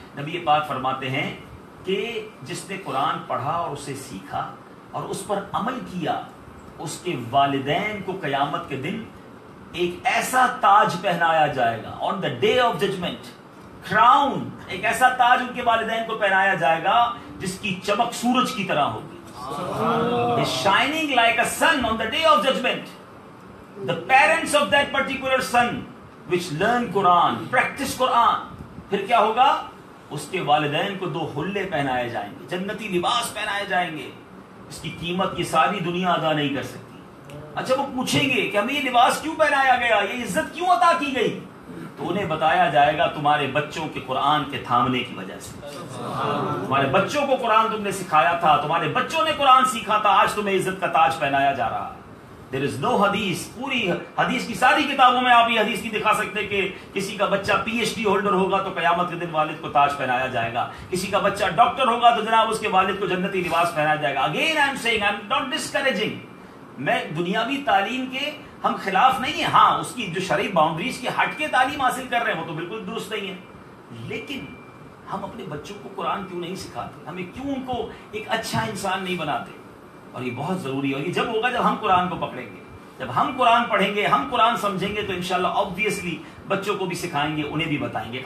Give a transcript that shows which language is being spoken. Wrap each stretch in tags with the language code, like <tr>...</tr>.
<ur>نبی پاک فرماتے ہیں کہ جس نے قرآن پڑھا اور اسے سیکھا اور اس پر عمل کیا, اس کے والدین کو قیامت کے دن ایک ایسا تاج پہنایا جائے گا,</ur> <en>on the day of judgment crown,</en> <ur>ایک ایسا تاج ان کے والدین کو پہنایا جائے گا جس کی چمک سورج کی طرح ہوگی.</ur> <en>Shining like a sun on the day of judgment. The parents of that particular son which learn Quran, practice Quran,</en> <ur>پھر کیا ہوگا, اس کے والدین کو دو حلے پہنائے جائیں گے, جنتی لباس پہنائے جائیں گے, اس کی قیمت یہ ساری دنیا ادا نہیں کر سکتی. اچھا وہ پوچھیں گے کہ ہمیں یہ لباس کیوں پہنایا گیا, یہ عزت کیوں عطا کی گئی, تو انہیں بتایا جائے گا تمہارے بچوں کے قرآن کے تھامنے کی وجہ سے. تمہارے بچوں کو قرآن تم نے سکھایا تھا, تمہارے بچوں نے قرآن سیکھا تھا, آج تمہیں عزت کا تاج پہنایا جا رہا.</ur> <en>There is no</en> <ur>حدیث, پوری حدیث کی ساری کتابوں میں آپ یہ حدیث کی دکھا سکتے کہ کسی کا بچہ پی ایچ ڈی ہولڈر ہوگا تو قیامت کے دن والد کو تاج پہنایا جائے گا, کسی کا بچہ ڈاکٹر ہوگا تو جناب اس کے والد کو جنتی لباس پہنایا جائے گا.</ur> <en>Again I am saying, I am not discouraging.</en> <ur>میں دنیاوی تعلیم کے ہم خلاف نہیں ہیں, ہاں اس کی جو شرعی باؤنڈریز کی ہٹ کے تعلیم حاصل کر رہے ہیں وہ تو بالکل درست نہیں ہے, لیکن ہم اپنے بچوں کو قرآن کیوں نہیں سکھاتے, ہمیں کیوں ان کو ایک اچھا انسان نہیں بناتے؟ اور یہ بہت ضروری ہے, اور یہ جب ہوگا جب ہم قرآن کو پکڑیں گے, جب ہم قرآن پڑھیں گے, ہم قرآن سمجھیں گے, تو انشاءاللہ obviously بچوں کو بھی سکھائیں گے, انہیں بھی بتائیں گے.</ur>